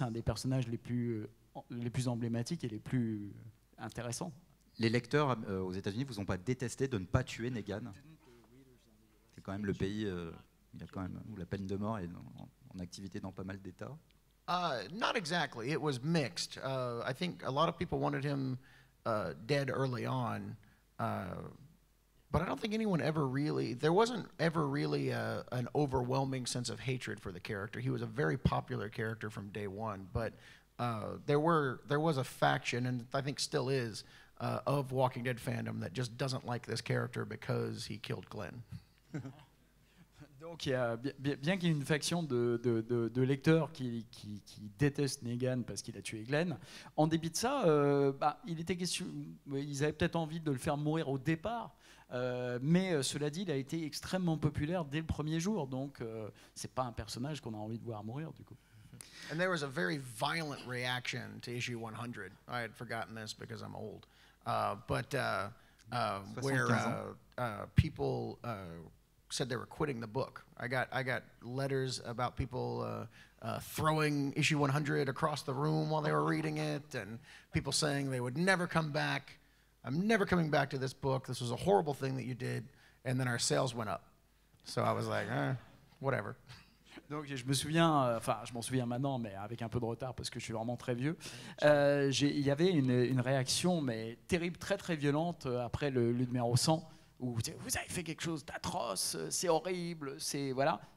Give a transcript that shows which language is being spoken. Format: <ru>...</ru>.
<fr>C'est un des personnages les plus emblématiques et les plus intéressants. Les lecteurs aux États-Unis vous ont pas détesté de ne pas tuer Negan? C'est quand même le pays il y a quand même où la peine de mort est en activité dans pas mal d'États.</fr> <en>Not exactly. It was mixed. I think a lot of people wanted him dead early on, but I don't think anyone ever really. There wasn't ever really an overwhelming sense of hatred for the character. He was a very popular character from day one, but there was a faction, and I think still is, of Walking Dead fandom that just doesn't like this character because he killed Glenn.</en> <fr>Donc il y a bien qu'il y ait une faction de lecteurs qui détestent Negan parce qu'il a tué Glenn, en dépit de ça, il était question, ils avaient peut-être envie de le faire mourir au départ, mais cela dit, il a été extrêmement populaire dès le premier jour, donc c'est pas un personnage qu'on a envie de voir mourir du coup.</fr> <en>And there was a very violent reaction to issue 100. I had forgotten this because I'm old, but where people said they were quitting the book. I got letters about people throwing issue 100 across the room while they were reading it, and people saying they would never come back. I'm never coming back to this book. This was a horrible thing that you did. And then our sales went up. So I was like, whatever.</en> <fr>Donc je me souviens, je m'en souviens maintenant, mais avec un peu de retard parce que je suis vraiment très vieux. Il y avait une réaction, mais terrible, très très violente après le numéro 100. Où vous avez fait quelque chose d'atroce, c'est horrible, c'est voilà.</fr>